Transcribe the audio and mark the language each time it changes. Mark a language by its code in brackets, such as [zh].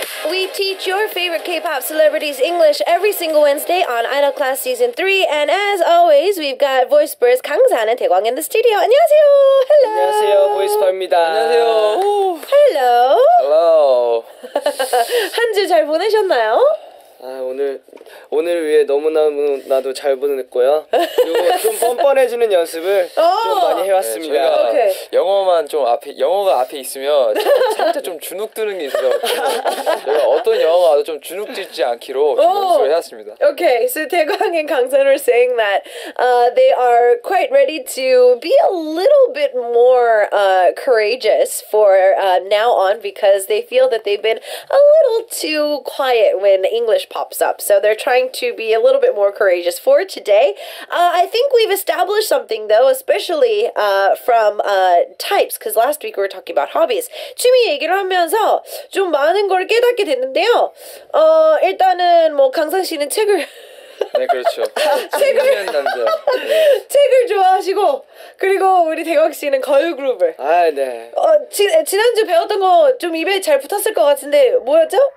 [en] We teach your favorite K-pop celebrities English every single Wednesday on Idol Class Season 3. And as always, we've got Voisper's Kangsan and Daekwang in the studio. [ko] 안녕하세요! Hello! 안녕하세요, 보이스퍼입니다. 안녕하세요! [en] Hello! Hello! [ko] 한 주 잘 보내셨나요? 아, 오늘 위해 너무나도 잘 보냈고요. 그리고 좀 뻔뻔해지는 연습을 좀 많이 해왔습니다. 네, 저희가 오케이. 영어가 앞에 있으면 살짝 좀 주눅드는 게 있어요. 제가 어떤 영어가 와도 좀 주눅들지 않기로 연습을 해왔습니다. [en] Okay, so Daekwang and Kangsan are saying that they are quite ready to be a little bit more courageous for now on because they feel that they've been a little too quiet when English pops up. So they're trying to be a little bit more courageous for today. I think we've established something though, especially from types, because last week we were talking about hobbies. [ko] 취미 얘기를 하면서 좀 많은 걸 깨닫게 됐는데요. 일단은 뭐 강상 씨는 책을 네, 그렇죠. 책을 좋아하시고 그리고 우리 대광 씨는 걸 그룹을. 아, 네. 지난주 배웠던 거 좀 입에 잘 붙었을 것 같은데 뭐였죠?